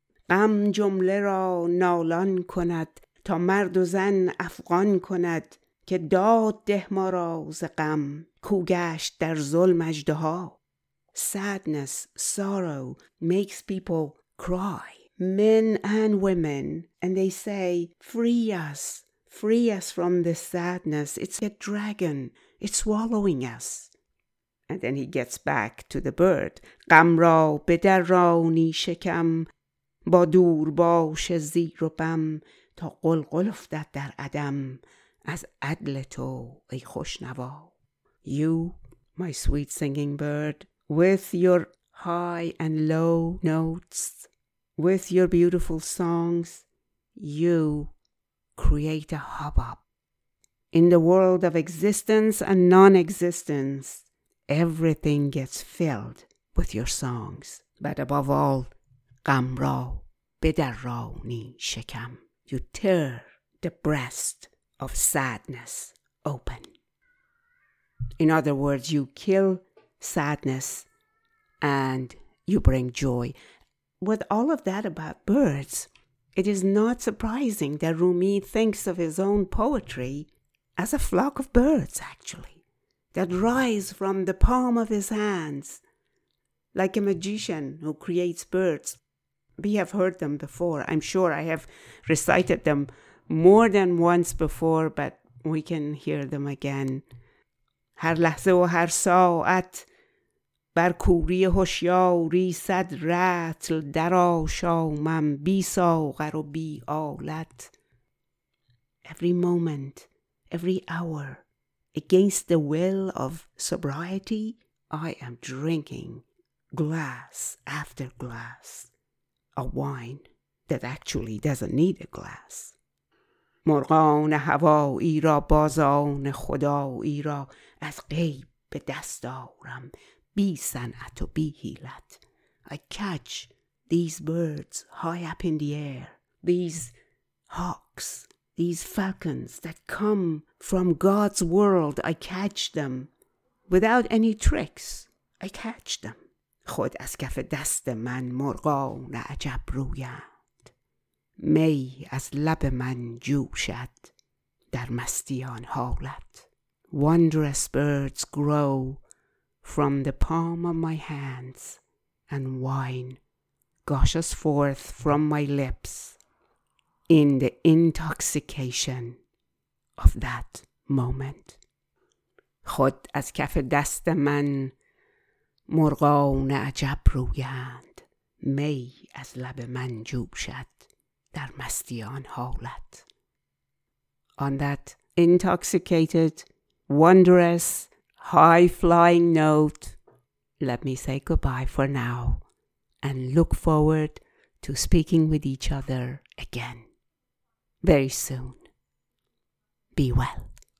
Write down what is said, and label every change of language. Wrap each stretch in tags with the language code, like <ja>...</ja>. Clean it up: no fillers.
<fa>غم جمله را نالان کند تا مرد و زن افغان کند که داد ده ما را ز غم کو گشت در ظلم اژدها.</fa> <en>Sadness, sorrow, makes people cry. Men and women, and they say, free us from this sadness. It's a dragon, it's swallowing us. And then he gets back to the bird.</en> <fa>غم را بدرانی شکم با دور باش زیر و بم تا قلقل افتد در عدم از عدل تو ای خوشنوا.</fa> <en>You, my sweet singing bird, with your high and low notes, with your beautiful songs, you create a hubbub. In the world of existence and non-existence, everything gets filled with your songs. But above all,</en> <fa>غم را بدرانی شکم.</fa> <en>You tear the breast of sadness open. In other words, you kill sadness and you bring joy. With all of that about birds, it is not surprising that Rumi thinks of his own poetry as a flock of birds, actually, that rise from the palm of his hands, like a magician who creates birds. We have heard them before. I'm sure I have recited them more than once before, but we can hear them again.</en> <fa>هر لحظه و هر ساعت بر کوری هوشیاری صد رتل در آشامم بی ساغر و بی آلت.</fa> <en>Every moment, every hour, against the will of sobriety, I am drinking glass after glass of wine that actually doesn't need a glass.</en> <fa>مرغان هوایی را بازان خدایی را از غیب به دست دارم بی صنعت و بی حیلت.</fa> <en>I catch these birds high up in the air, these hawks, these falcons that come from God's world. I catch them without any tricks. I catch them.</en> <fa>خود از کف دست من مرغان عجب رویند. می از لب من جوشد در مستیان حالت.</fa> <en>Wondrous birds grow from the palm of my hands and wine gushes forth from my lips in the intoxication of that moment.</en> <fa>خود از کف دست من مرغان عجب رویند. می از لب من جوشد در مستیان حالت.</fa> <en>On that intoxicated, wondrous, high-flying note, let me say goodbye for now and look forward to speaking with each other again very soon. Be well.</en>